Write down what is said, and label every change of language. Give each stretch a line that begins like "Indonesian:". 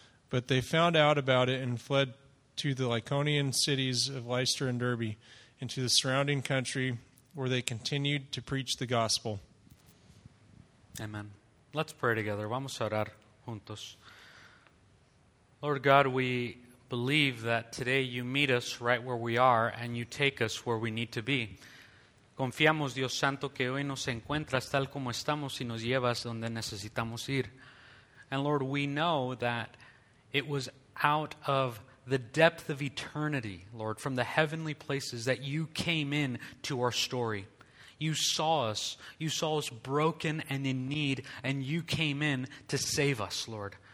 English: But they found out about it and fled to the Lycaonian cities of Lystra and Derbe, into the surrounding country, where they continued to preach the gospel. Amen. Let's pray together.
Spanish: Vamos a orar juntos.
English: Lord God, we believe that today you meet us right where we are and you take us where we need to be.
Spanish: Confiamos, Dios Santo, que hoy nos encuentras tal como estamos y nos llevas donde necesitamos ir.
English: And Lord, we know that it was out of the depth of eternity, Lord, from the heavenly places that you came in to our story. You saw us. You saw us broken and in need, and you came in to save us, Lord.